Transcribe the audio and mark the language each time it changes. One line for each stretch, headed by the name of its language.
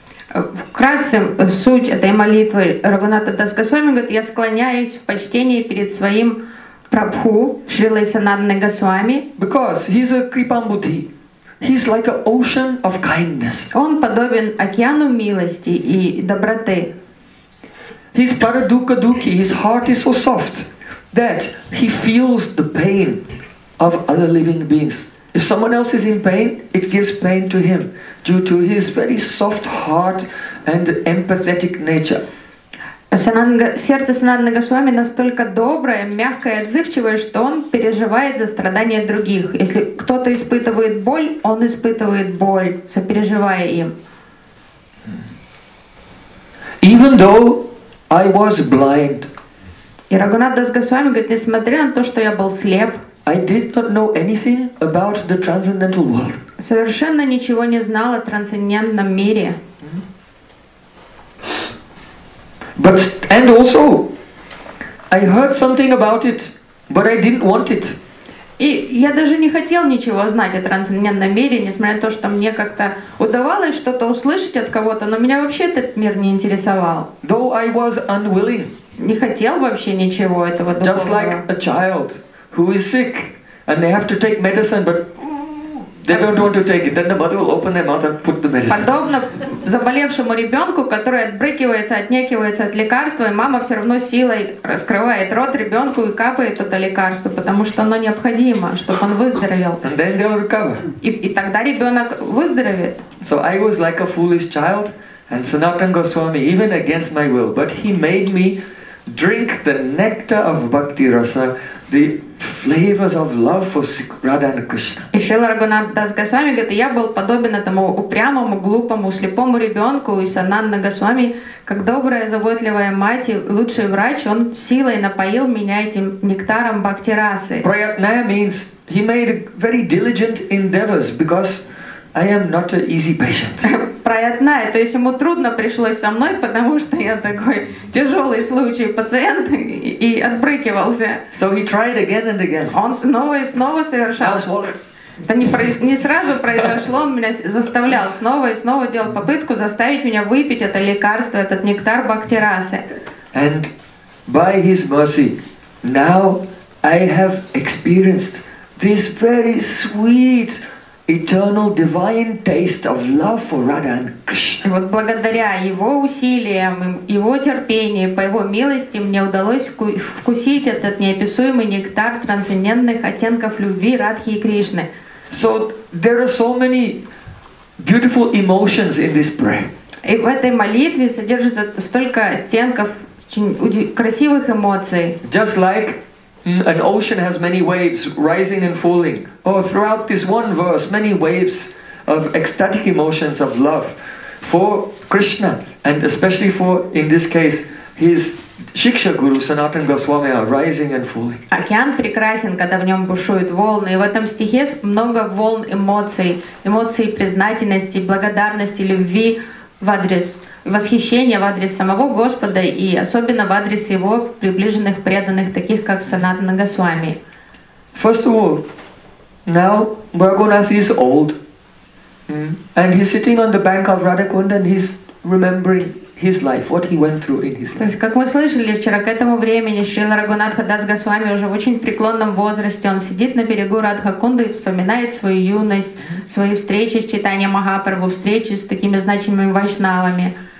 Russian: Вкратце, суть этой молитвы Рагхунатха Дас Госвами говорит, я склоняюсь в почтении перед своим Прабху, Шрилой Санатаной Госвами.
English: Because he's a Kripambuddhi. He's like an ocean of kindness.
Russian: Он подобен океану милости и доброты.
English: He's Paradukaduki, his heart is so soft that he feels the pain of other living beings. If someone else is in pain, it gives pain to him due to his very soft heart and empathetic nature.
Russian: Сердце Санатаны Госвами настолько доброе, мягкое, отзывчивое, что он переживает за страдания других. Если кто-то испытывает боль, он испытывает боль, сопереживая им.
English: Even though I was blind,
Russian: и Рагхунатха Дас Госвами говорит, несмотря на то, что я был слеп,
English: I did not know anything about the transcendental world.
Russian: Совершенно ничего не знал о трансцендентном мире.
English: But and also, I heard something about it, but I didn't want it.
Russian: И я даже не хотел ничего знать о трансцендентном мире, несмотря на то, что мне как-то удавалось что-то услышать от кого-то, но меня вообще этот мир не интересовал.
English: Though I was unwilling.
Russian: Не хотел вообще ничего этого духовного.
English: Just like a child who is sick and they have to take medicine, but they don't want to take it. Then the mother will open their mouth and put the medicine.
Russian: Подобно заболевшему ребенку, который отбрыкивается, отнекивается от лекарства, и мама все равно силой раскрывает рот ребенку и капает это лекарство, потому что оно необходимо, чтобы он выздоровел.
English: And then they'll recover.
Russian: И тогда ребенок выздоровеет.
English: So I was like a foolish child, and Sanatana Goswami, even against my will, but he made me drink the nectar of bhakti rasa, the flavors of love for Radha and Krishna.
Russian: И Шрила Рагхунатха Дас Госвами говорит, я был подобен этому упрямому, глупому, слепому ребенку, и Сананда Госвами, как добрая, заботливая мать и лучший врач, он силой напоил меня этим нектаром бхакти расы.
English: Prayatnaya means he made very diligent endeavors because I am not an easy patient.
Russian: Prayatnaya, то есть ему трудно пришлось со мной, потому что я такой тяжелый случай пациент и отбрыкивался.
English: So he tried again and again.
Russian: Он снова и снова совершал. Это не сразу произошло, он меня заставлял. Снова и снова делал попытку заставить меня выпить это лекарство, этот нектар бхакти расы.
English: And by his mercy, now I have experienced this very sweet eternal divine taste of love for Radha and Krishna.
Russian: Вот благодаря его усилиям, его терпению, по его милости мне удалось вкусить этот неописуемый нектар трансцендентных оттенков любви Радхи и Кришны.
English: So there are so many beautiful emotions in this prayer.
Russian: И в этой молитве содержится столько оттенков красивых эмоций.
English: Just like an ocean has many waves rising and falling. Oh, throughout this one verse, many waves of ecstatic emotions of love for Krishna, and especially for, in this case, his Shiksha Guru, Sanatan Goswami, are rising and falling.
Russian: Океан прекрасен, когда в нем бушуют волны, и в этом стихе много волн эмоций, эмоций признательности, благодарности, любви в адрес, восхищение в адрес самого Господа и особенно в адрес Его приближенных преданных, таких как Санатана Госвами.
English: First of all, now Raghunath is old, and he's sitting on the bank of Radhakund and he's remembering his life, what he went through in his life.
Russian: То есть, как мы слышали вчера, к этому времени Шрила Рагхунатха Дас Госвами уже в очень преклонном возрасте. Он сидит на берегу Радхакунды и вспоминает свою юность, свои встречи с Чайтанья Махапрабху, встречи с такими значимыми вайшнавами.